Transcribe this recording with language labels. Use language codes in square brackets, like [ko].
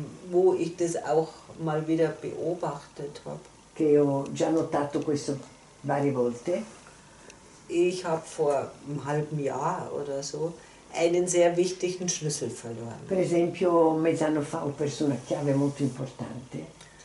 [de] Wo ich das auch mal wieder beobachtet habe. [it] Che ho già notato questo varie volte. [de] Ich habe vor einem halben Jahr oder so einen sehr wichtigen Schlüssel verloren. [it] Per esempio, mezz'anno fa ho perso una chiave molto importante.